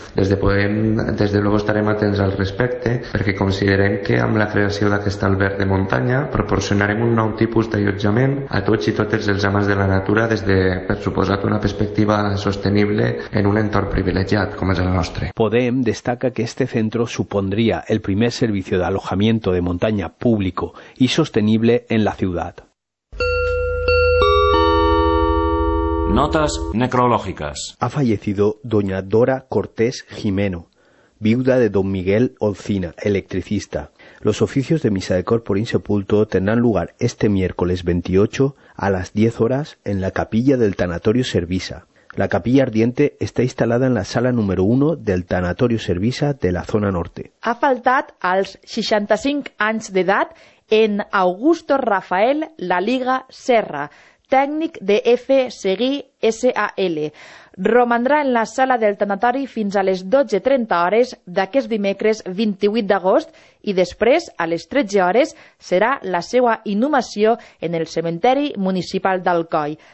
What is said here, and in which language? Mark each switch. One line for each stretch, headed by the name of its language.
Catalan: Des de luego estarem atents al respecte perquè considerem que amb la creació d'aquest alberg de muntanya proporcionarem un nou tipus d'allotjament a tots i totes els amants de la natura des de, per suposat, una perspectiva sostenible en un entorn privilegiat com és el nostre.
Spanish: Podem destaca que este centro supondría el primer servicio de alojamiento de montaña público y sostenible en la ciudad. Notas necrológicas. Ha fallecido doña Dora Cortés Jimeno, viuda de don Miguel Olcina, electricista. Los oficios de misa de corpus insepulto tendrán lugar este miércoles 28 a las 10 horas en la capilla del Tanatorio Servisa. La capilla ardiente está instalada en la sala número 1 del Tanatorio Servisa de la zona norte.
Catalan: Ha faltat als 65 anys d'edat en Augusto Rafael La Liga Serra, tècnic de FSEGUI SAL. Romandrà en la sala del tanatori fins a les 12:30 hores d'aquest dimecres 28 d'agost i després, a les 13 hores, serà la seva inhumació en el cementeri municipal d'Alcoi.